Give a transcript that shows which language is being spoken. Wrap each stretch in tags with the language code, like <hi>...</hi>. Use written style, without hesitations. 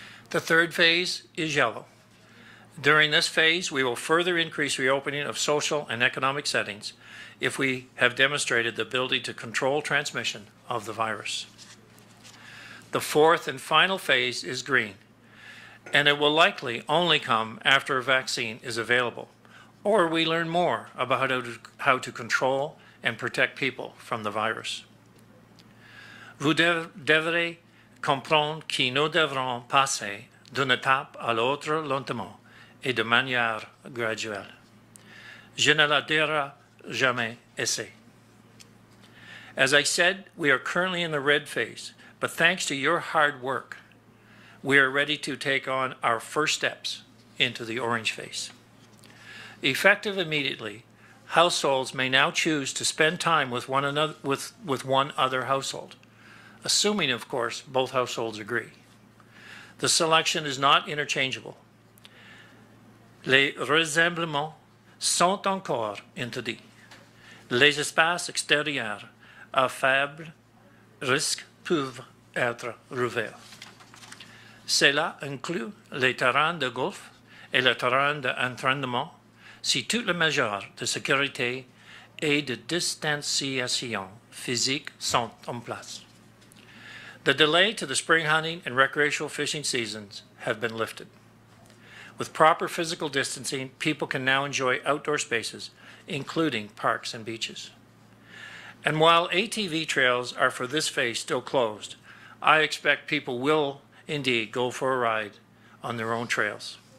<en>The third phase is yellow. During this phase, we will further increase reopening of social and economic settings if we have demonstrated the ability to control transmission of the virus. The fourth and final phase is green, and it will likely only come after a vaccine is available, or we learn more about how to control and protect people from the virus.</en> <fr>Vous devrez comprendre que nous devrons passer d'une étape à l'autre lentement et de manière graduelle. Je ne la dirai jamais assez.</fr> <en>As I said, we are currently in the red phase, but thanks to your hard work, we are ready to take on our first steps into the orange phase. Effective immediately, households may now choose to spend time with one other household, assuming, of course, both households agree. The selection is not interchangeable.</en> <fr>Les rassemblements sont encore interdits. Les espaces extérieurs à faible risque peuvent être ouverts. Cela inclut les terrains de golf et les terrains d'entraînement si toutes les mesures de sécurité et de distanciation physique sont en place.</fr> <en>The delay to the spring hunting and recreational fishing seasons have been lifted. With proper physical distancing, people can now enjoy outdoor spaces, including parks and beaches. And while ATV trails are for this phase still closed, I expect people will indeed go for a ride on their own trails.</en>